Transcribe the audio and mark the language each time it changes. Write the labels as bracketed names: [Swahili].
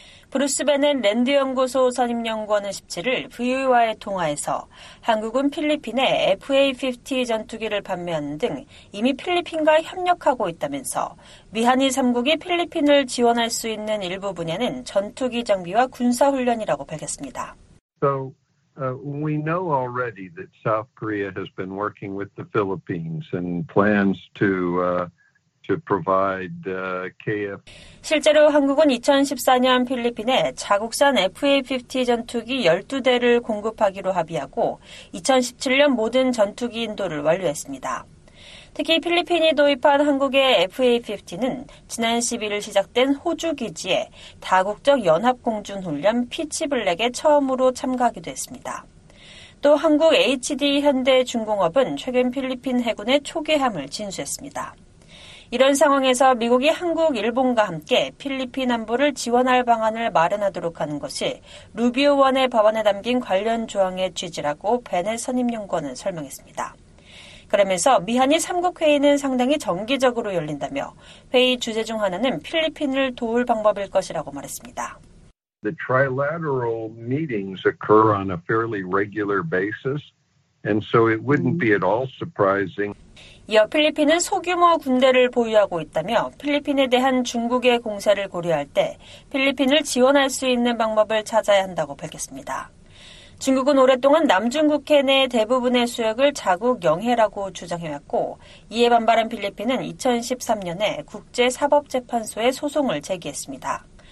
[Korean] 브루스 베넨 랜드 연구소 선임 연구원은 17일 VOA와의 통화에서 한국은 필리핀에 FA-50 전투기를 판매하는 등 이미 필리핀과 협력하고 있다면서 미한이 3국이 필리핀을 지원할 수 있는 일부 분야는 전투기 장비와 군사 훈련이라고 밝혔습니다. [English] So we know already that South Korea has been working with the Philippines and plans to provide KF. [Korean] 실제로 한국은 2014년 필리핀에 자국산 FA-50 전투기 12대를 공급하기로 합의하고 2017년 모든 전투기 인도를 완료했습니다. 특히 필리핀이 도입한 한국의 FA-50는 지난 12일 시작된 호주 기지에 다국적 연합공중훈련 피치블랙에 처음으로 참가하기도 했습니다. 또 한국 HD 현대중공업은 최근 필리핀 해군의 초계함을 진수했습니다. 이런 상황에서 미국이 한국, 일본과 함께 필리핀 안보를 지원할 방안을 마련하도록 하는 것이 루비오 의원의 법안에 담긴 관련 조항의 취지라고 베넷 선임연구원은 설명했습니다. 그러면서 미한이 3국 회의는 상당히 정기적으로 열린다며 회의 주제 중 하나는 필리핀을 도울 방법일 것이라고 말했습니다. [English] The trilateral meetings occur on a fairly regular basis, and so it wouldn't be at all surprising. [Korean] 이어 필리핀은 소규모 군대를 보유하고 있다며 필리핀에 대한 중국의 공세를 고려할 때 필리핀을 지원할 수 있는 방법을 찾아야 한다고 밝혔습니다. 중국은 오랫동안 남중국해 내 대부분의 수역을 자국 영해라고 주장해왔고 이에 반발한 필리핀은 2013년에 국제사법재판소에 소송을 제기했습니다.